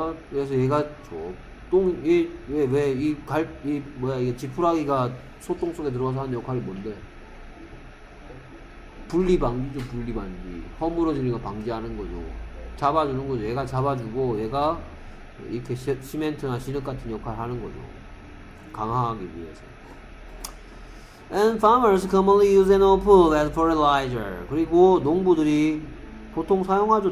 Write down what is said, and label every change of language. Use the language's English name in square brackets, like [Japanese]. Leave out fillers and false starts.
[Korean] 그래서 얘가 똥이 왜 이 갈 이 뭐야 이게 지푸라기가 소똥 속에 들어가서 하는 역할이 뭔데? 분리방지죠. 분리방지 허물어지는 거 방지하는 거죠. 잡아주는 거죠. 얘가 잡아주고 얘가 이렇게 시멘트나 진흙 같은 역할을 하는 거죠. 강화하기 위해서. [English] And farmers commonly use animal poop as fertilizer. [Korean] 그리고 농부들이 보통 사용하죠.